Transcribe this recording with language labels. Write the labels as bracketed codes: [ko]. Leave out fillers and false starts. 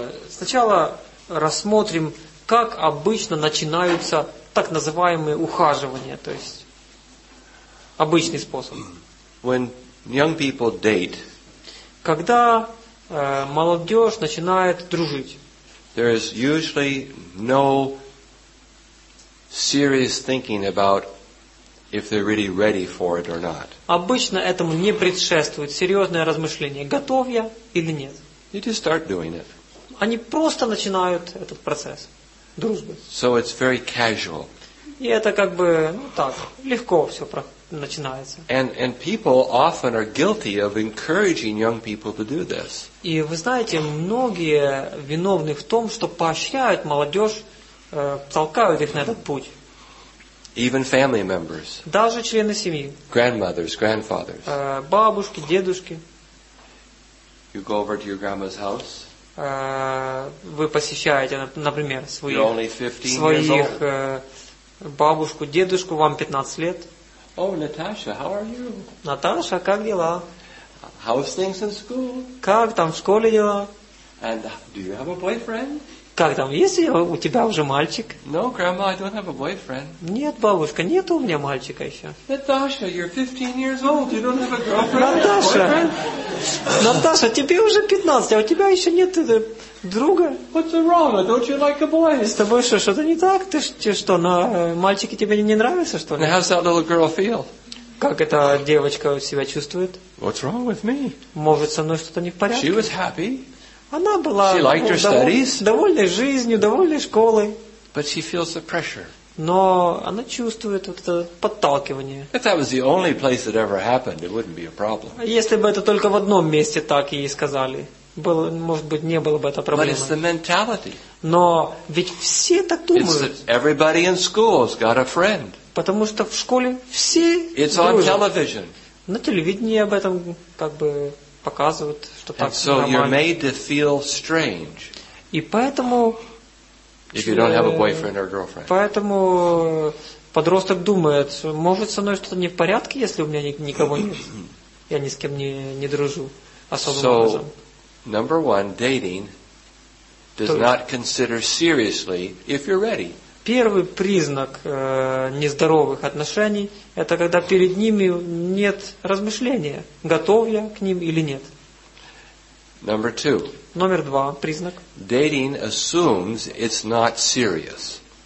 [ru] Сначала рассмотрим, как обычно начинаются так называемые ухаживания, то есть обычный способ. [en] When young people date, [ru] когда молодежь начинает дружить, [en] there is usually no serious thinking about if they're really ready for it or not. [ru] Обычно этому не предшествует серьезное размышление, готов я или нет. [en] You just start doing it. [ru] Они просто начинают этот процесс дружбы. [en] So it's very casual. [ru] И это как бы, ну так, легко все начинается. [en] And people often are guilty of encouraging young people to do this. [ru] И вы знаете, многие виновны в том, что поощряют молодежь, толкают их на этот путь. [en] Even family members. [ru] Даже члены семьи. [en] Grandmothers, grandfathers. [ru] Бабушки, дедушки. [en] You go over to your grandma's house. [ru] Вы посещаете, например, своих бабушку, дедушку, вам 15 лет. [en] Oh, Natasha, how are you? [ru] Наташа, как дела? [en] How's things in school? [ru] Как там в школе дела? [en] And do you have a boyfriend? [ru] Как там, есть ли у тебя уже мальчик? [en] No, grandma, I don't have a boyfriend. [ru] Нет, бабушка, нет у меня мальчика еще. [en] Natasha, you're 15 years old, you don't have a girlfriend. [ru] Наташа, Наташа, тебе уже 15, а у тебя еще нет друга. [en] What's wrong? Don't you like a boy? [ru] С тобой что-то не так? Ты что, на мальчике тебе не нравится, что ли? [en] Now, how's that little girl feel? [ru] Как эта девочка себя чувствует? [en] What's wrong with me? [ru] Может, со мной что-то не в порядке? [en] She was happy. [ru] Она была довольна жизнью, довольна школой. [en] But she feels the pressure. [ru] Но она чувствует вот это подталкивание. [en] If that was the only place that ever happened, it wouldn't be a problem. [ru] Если бы это только в одном месте так ей сказали, было, может быть, не было бы это проблемой. [en] But it's the mentality. [ru] Но ведь все так думают. [en] It's that everybody in school's got a friend. [ru] Потому что в школе все [en] It's [ru] дружат. [en] On television. [ru] На телевидении об этом как бы показывают, что так нормально. [en] And so you're made to feel strange. [ru] И поэтому, [en] if you don't have a boyfriend or girlfriend. [ru] Поэтому подросток думает, может, со мной что-то не в порядке, если у меня никого нет. Я ни с кем не дружу особым образом. [en] So, number one, dating does not consider seriously if you're ready. [ru] Первый признак нездоровых отношений – это когда перед ними нет размышления, готов я к ним или нет. [en] Number two. [ru] Номер два признак. [en] Dating assumes it's not serious.